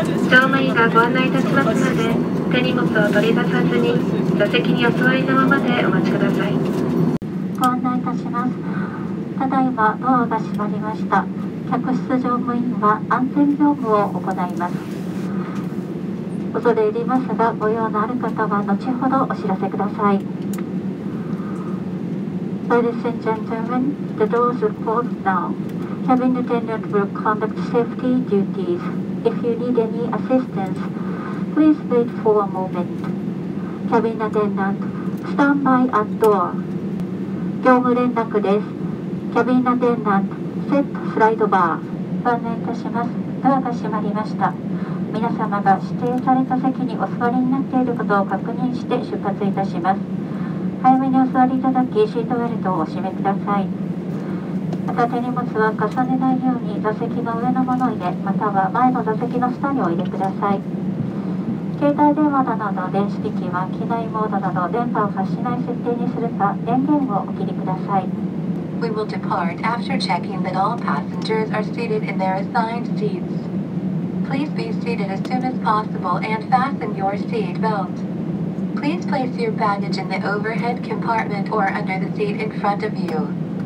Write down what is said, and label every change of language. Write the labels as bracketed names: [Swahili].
[Japanese] 乗務員がご案内いたしますので、手荷物を取り出さずに座席にお座りのままでお待ちください。ご案内いたします。ただいまドアが閉まりました。客室乗務員は安全業務を行います。恐れ入りますが、ご用のある方は後ほどお知らせください。 [English] Ladies and gentlemen, the doors are closed now. Cabin attendant will conduct safety duties. If you need any assistance, please wait for a moment. Cabin attendant, stand by at door. [Japanese] 業務連絡です。 [English] Cabin attendant, set slide bar. [Japanese] ご案内いたします。ドアが閉まりました。皆様が指定された席にお座りになっていることを確認して出発いたします。早めにお座りいただき、シートベルトをお締めください。また手荷物は重ねないように座席の上のものを入れ、または前の座席の下にお入れください。携帯電話などの電子機器は機内モードなど電波を発しない設定にするか、電源をお切りください。 [English] We will depart after checking that all passengers are seated in their assigned seatsPlease be seated as soon as possible and fasten your seat belt. Please place your baggage in the overhead compartment or under the seat in front of you.